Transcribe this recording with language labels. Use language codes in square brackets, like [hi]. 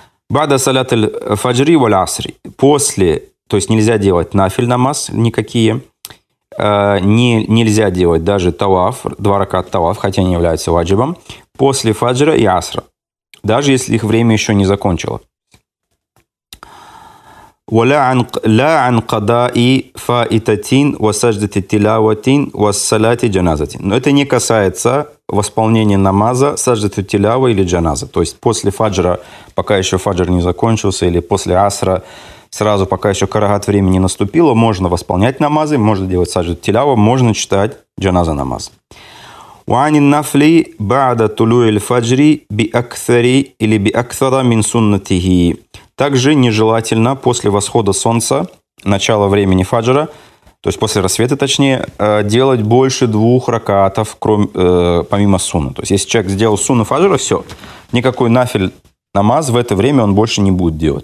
[ar] Бада салят аль-фаджри валь-асри. [ru] После, то есть нельзя делать нафиль намаз никакие. Нельзя делать даже таваф, два раката таваф, хотя они являются ваджибом, после фаджра и асра. Даже если их время еще не закончилось. [ar] ولا عن قضاء فائتتين وسجدة التلاوة والصلاة جنازة. [ru] Но это не касается восполнения намаза, сажды тилавы или джаназа. То есть после фаджра, пока еще фаджр не закончился, или после асра, сразу пока еще карагат времени не наступило, можно восполнять намазы, можно делать сажды тилавы, можно читать джаназа намаз. [ar] وعن النفل بعد طلوع الفجر بأكثر [ru] или [ar] بأكثر من سنته. [ru] Также нежелательно после восхода солнца, начала времени фаджра, то есть после рассвета, точнее, делать больше двух ракатов, помимо сунны. То есть если человек сделал сунну фаджра, все, никакой нафиль намаз в это время он больше не будет делать.